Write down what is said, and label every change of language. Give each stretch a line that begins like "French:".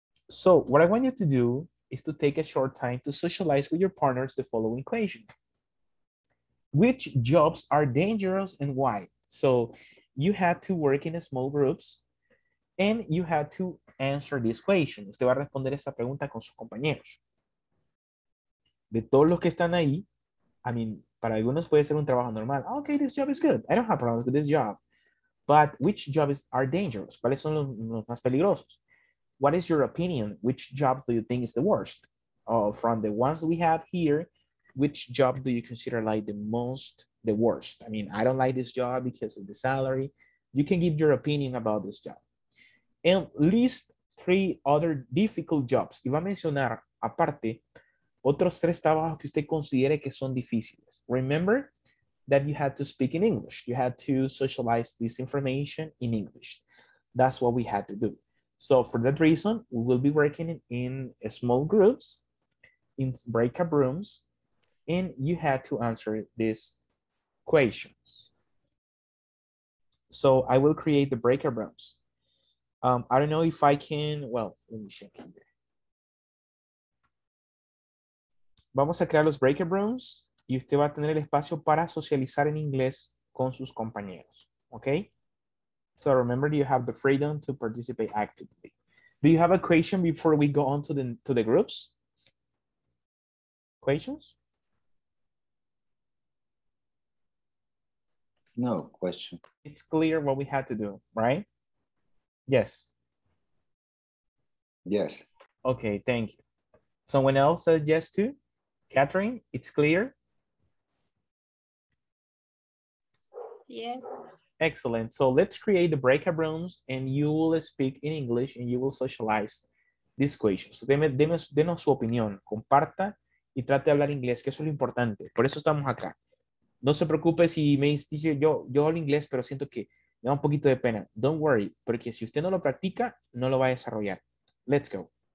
English: So what I want you to do is to take a short time to socialize with your partners the following equation. Which jobs are dangerous and why? So you had to work in small groups and you had to answer this equation.
Spanish: Usted va a responder esa pregunta con sus compañeros. De todos los que están ahí,
English: I mean,
Spanish: para algunos puede ser un trabajo normal.
English: Okay, this job is good. I don't have problems with this job. But which jobs are dangerous?
Spanish: ¿Cuáles son los más peligrosos?
English: What is your opinion? Which jobs do you think is the worst? From the ones we have here, which job do you consider like the most, the worst? I mean, I don't like this job because of the salary. You can give your opinion about this job. And list three other difficult jobs.
Spanish: Y va a mencionar, aparte, otros tres trabajos que usted considere que son difíciles.
English: Remember that you had to speak in English. You had to socialize this information in English. That's what we had to do. So for that reason, we will be working in small groups, in breakout rooms, and you had to answer these questions. So I will create the breakout rooms. I don't know if I can, well, let me check here. Vamos a crear los breakout rooms y usted va a tener el espacio para socializar en inglés con sus compañeros, okay? So remember, you have the freedom to participate actively. Do you have a question before we go on to the groups? Questions? No question. It's clear what we had to do, right? Yes. Yes. Okay, thank you. Someone else said yes too? Catherine, it's clear? Yes. Excellent. So let's create the breakout rooms and you will speak in English and you will socialize this question.
Spanish: So denos su opinión. Comparta y trate de hablar inglés, que eso es lo importante. Por eso estamos acá. No se preocupe si me dice yo hablo inglés, pero siento que me da un poquito de pena.
English: Don't worry,
Spanish: porque si usted no lo practica, no lo va a desarrollar.
English: Let's go.